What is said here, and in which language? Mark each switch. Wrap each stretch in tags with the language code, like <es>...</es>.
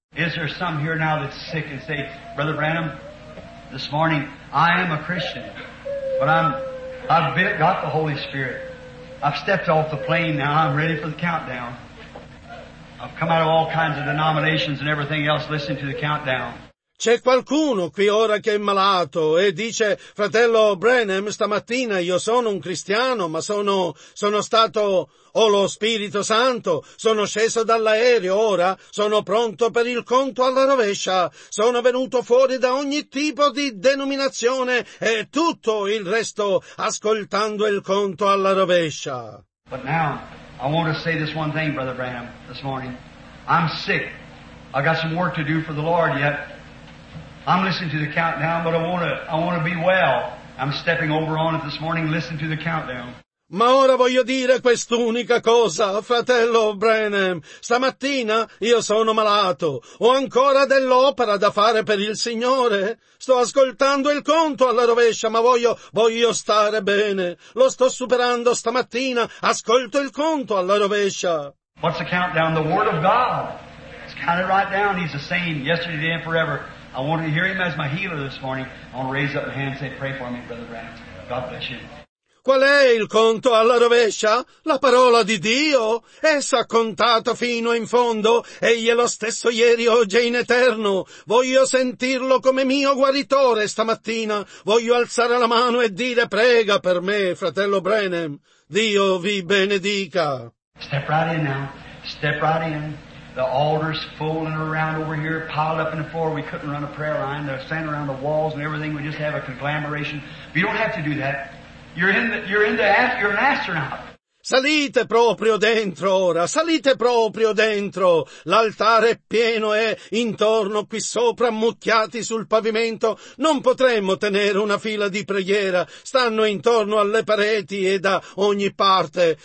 <en>Is there some here now that's sick and say, Brother Branham, this morning, I am a Christian, but I've got the Holy Spirit. I've stepped off the plane now, I'm ready for the countdown. I've come out of all kinds of denominations and everything else listening to the countdown.</en> <it>C'è qualcuno qui ora che è malato e dice, fratello Branham, stamattina io sono un cristiano, ma sono stato, ho lo Spirito Santo, sono sceso dall'aereo, ora sono pronto per il conto alla rovescia, sono venuto fuori da ogni tipo di denominazione e tutto il resto ascoltando il conto alla rovescia.</it> <en>But now, I want to say this one thing, Brother Branham, this morning. I'm sick. I got some work to do for the Lord yet. I'm listening to the countdown, but I want to be well. I'm stepping over on it this morning, listening to the countdown.</en> <it>Ma ora voglio dire quest'unica cosa, fratello Branham. Stamattina io sono malato. Ho ancora dell'opera da fare per il Signore. Sto ascoltando il conto alla rovescia, ma voglio stare bene. Lo sto superando stamattina. Ascolto il conto alla rovescia.</it> <en>What's the countdown? The Word of God. It's counted right down. He's the same yesterday, today, and forever. I want to hear him as my healer this morning. I want to raise up a hand and say, pray for me, Brother Branham. God bless you.</en> <it>Qual è il conto alla rovescia? La parola di Dio. Essa ha contato fino in fondo. Egli è lo stesso ieri, oggi e in eterno. Voglio sentirlo come mio guaritore stamattina. Voglio alzare la mano e dire prega per me, fratello Branham. Dio vi benedica.</it> <en>Step right in now. Step right in. The altar's full and around over here, piled up in the floor. We couldn't run a prayer line. They're standing around the walls and everything. We just have a conglomeration. You don't have to do that. You're an astronaut.</en> <it>Salite proprio dentro ora, salite proprio dentro. L'altare è pieno e intorno qui sopra, ammucchiati sul pavimento, non potremmo tenere una fila di preghiera. Stanno intorno alle pareti e da ogni parte.</it>